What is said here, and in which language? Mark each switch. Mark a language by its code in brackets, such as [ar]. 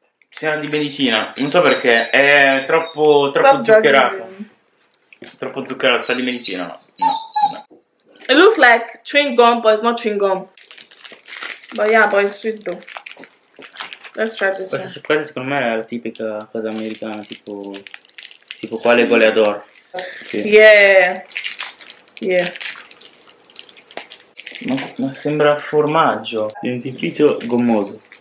[it] Sì, di medicina, non so perché, è troppo zuccherato. Troppo zuccherato, sa di medicina. No. [en] It looks like chewing gum, but it's not chewing gum. But yeah, but it's sweet though. Let's try this. [it] Questa secondo me è la tipica cosa americana, tipo quale goleador. Sì. Yeah. Ma sembra formaggio, dentifricio gommoso.